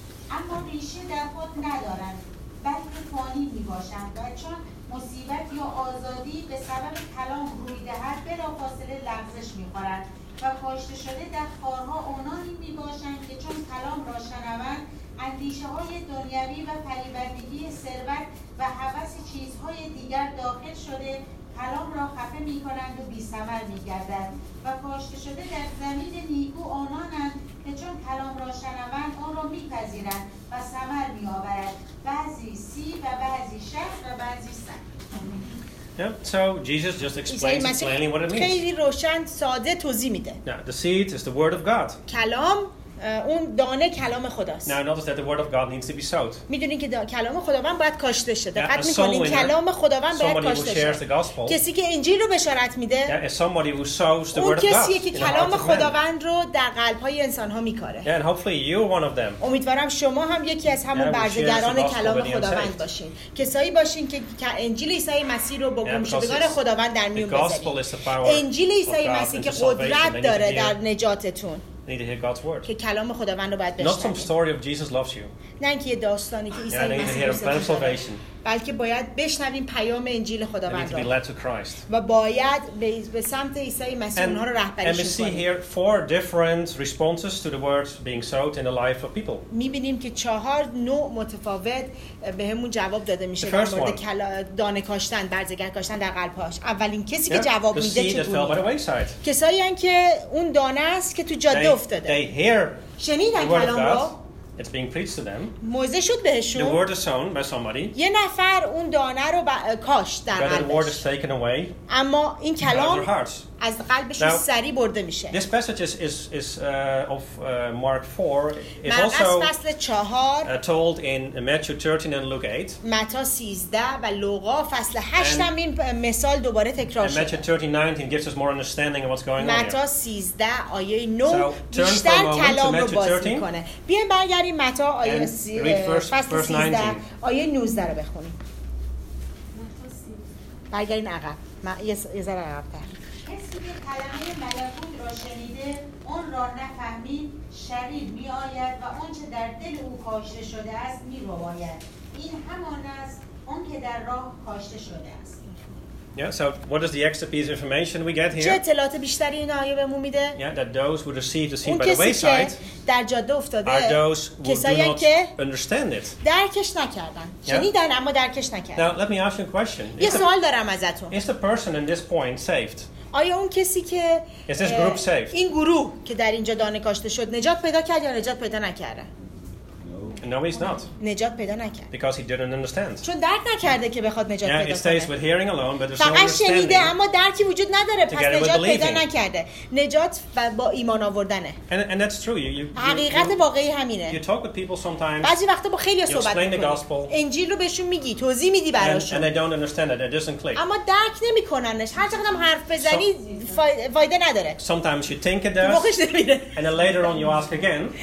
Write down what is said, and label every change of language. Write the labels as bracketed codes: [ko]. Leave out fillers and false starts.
[fa] اما ریشه در خود ندارند، بلکه فانی می باشند، و چون مصیبت یا آزادی به سبب کلام روی دهد بلافاصله لغزش می خورند، و کاشته شده در خارها آنانی می باشند که چون کلام را شنوند اندیشه های دنیوی و پریبندگی ثروت و هوس چیزهای دیگر داخل شده کلام را خفه می کنند و بی ثمر می گردند، و کاشته شده در زمین نیکو آنانند که چون کلام را شنوند آن را می پذیرند و ثمر می آورد، بعضی 30 و بعضی 60 و بعضی 100. [en] Yeah, so Jesus just explains plainly what it means. [fa] خیلی روشن ساده توضیح میده. [en] Yeah, the seed is the word of God. [fa] کلام اون دانه کلام خداست. [en] Now notice that the word of God needs to be sowed. [fa] میدونین که کلام خداوند باید کاشته شه. دقت میکنین کلام خداوند باید کاشته شه. کسی که انجیل رو بشارت میده. [en] Somebody who sows the word of God. [fa] کسی که کلام خداوند رو در قلب‌های انسان‌ها میکاره. [en] And hopefully you're one of them. [fa] امیدوارم شما هم یکی از همون برده‌گران کلام خداوند باشین. کسایی باشین که انجیل عیسی مسیح رو با گمشدگان خداوند در میون بذارین. انجیل عیسی مسیح که قدرت داره در نجاتتون. [en] Need to hear God's word. [fa] که کلام خداوند رو باید بشنوید. [en] Not some story of Jesus loves you. [fa] نه اینکه یه داستانی که عیسی مسیح، بلکه باید بشنویم پیام انجیل خداوند [en] رو. Need to be led to Christ. [fa] و باید به سمت عیسی مسیح اونها رو رهبریش کنیم. [en] And we see here four different responses to the words being sowed in the life of people. [fa] می‌بینیم که چهار نوع متفاوت بهمون جواب داده میشه در مورد دانه کاشتن، برزگر کاشتن در قلب‌هاش. اولین کسی که جواب میده چطوره؟ کسایی هستند که اون دانه است که تو جاده افتاده. [en] They hear. [fa] شنیدن کلام رو. [en] It's being preached to them. [fa] موزه شد بهشون. [en] The word is sown by somebody. [fa] یه نفر اون دانه رو کاشت در قلبش. [en] But the word is taken away. [fa] اما این کلام از قلبش سری برده میشه. [en] This passage is of Mark 4. It also [fa] فصل 4. [en] Told in Matthew 13 and Luke 8. [fa] متا 13 و لوقا فصل 8 هم این مثال دوباره تکرار شده. [en] Matthew 13:19 gives us more understanding of what's going on. [fa] متا 13 آیه 9 بیشتر کلام رو باز میکنه. بیایم برگردیم متا آیه 13 فصل 13 آیه 19 رو بخونیم. برگردیم عقب. یه ذره عقب‌تر. کسی که کلمه ملکوت را شنیده اون را نفهمید شریر می آید و آنچه در دل او کاشته شده است می رواید. این همان است اون که در راه کاشته شده است. [en] Yeah, so what is the extra piece of information we get here? [fa] چه اطلاعات بیشتری این آیه بهمون میده؟ [en] Yeah, that those who receive the seed by the wayside [fa] در جاده افتاده [en] are those who do not understand it. [fa] درکش نکردن. شنیدن اما درکش نکردن. [en] Now, let me ask you a question. [fa] یه سوال دارم ازتون. [en] Is the person in this point saved? [fa] آیا اون کسی که [en] Is this group saved? [fa] این گروه که در اینجا دانه کاشته شد نجات پیدا کرد یا نجات پیدا نکرده؟ [en] No, he's not. [fa] نجات پیدا نکرد. [en] Because he didn't understand. [fa] چون درک نکرده که بخواد نجات پیدا کنه. [en] Yeah, it stays with hearing alone, but there's no understanding. [fa] فقط شنیده اما درکی وجود نداره. پس نجات پیدا نکرده. نجات با ایمان آوردنه. [en] And that's true. You [fa] حقیقت واقعی همینه. [en] You talk with people sometimes. [fa] بعضی وقتا با خیلی صحبت می‌کنی. انجیل رو بهشون میگی، توضیح میدی براشون. [en] And they don't understand it. It doesn't click. [fa] اما درک نمی‌کننش. هر چقدرم حرف بزنی فایده نداره. [en] Sometimes you think it does. And later on you ask again.